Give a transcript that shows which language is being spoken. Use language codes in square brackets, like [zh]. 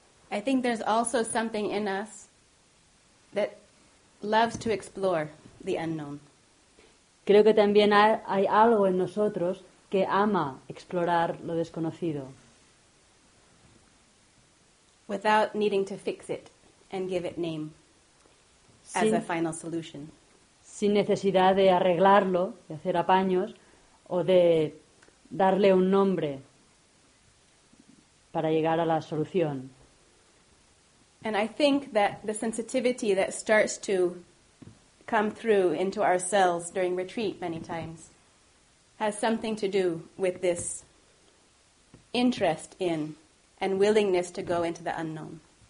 [en] I think there's also something in us that loves to explore the unknown. [es] Creo que también hay algo en nosotros que ama explorar lo desconocido. [en] Without needing to fix it and give it name as a final solution. [es] Sin necesidad de arreglarlo, de hacer apaños, o de darle un nombre para llegar a la solución. [en] And I think that the sensitivity that starts to come through into our cells during retreat many times has something to do with this interest in and willingness to go into the unknown.